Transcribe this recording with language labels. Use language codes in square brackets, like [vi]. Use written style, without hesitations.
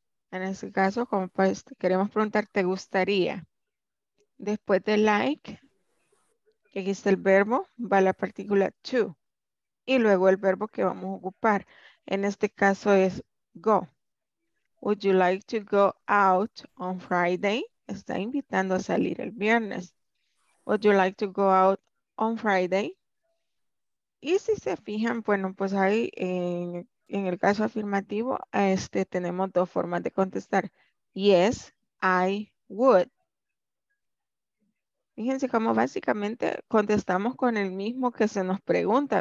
[es] En este caso, como pues, queremos preguntar, ¿te gustaría? Después de like, que aquí está el verbo, va la partícula to. Y luego el verbo que vamos a ocupar. En este caso es go. [en] Would you like to go out on Friday? [es] Está invitando a salir el viernes. [en] Would you like to go out on Friday? [es] Y si se fijan, bueno, pues ahí en el caso afirmativo, tenemos dos formas de contestar. [en] Yes, I would. [es] Fíjense cómo básicamente contestamos con el mismo que se nos pregunta.